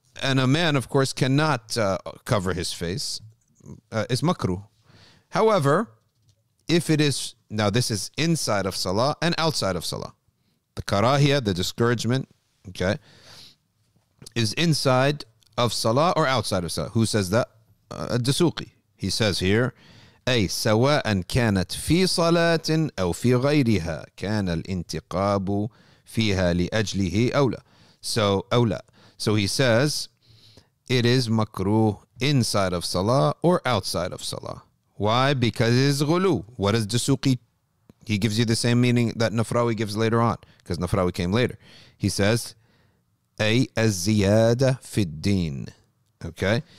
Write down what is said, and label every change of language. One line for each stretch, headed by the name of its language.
English: And a man, of course, cannot cover his face. It's makruh. However, if it is, now this is inside of Salah and outside of Salah. The karahia, the discouragement, okay, is inside of Salah or outside of Salah. Who says that? Ad-Dusuqi.
Arabic: He says here, أي سواء كانت في صلاة أو في غيرها كان الانتقاب فيها لأجله أولى.
English: So أولى. So he says, it is makruh inside of Salah or outside of Salah. Why? Because it's ghulu. What is Dusuqi? He gives you the same meaning that Nafrawi gives later on, because Nafrawi came later. He says,
Arabic: "Ay az-ziyada fid-din."
English: Okay?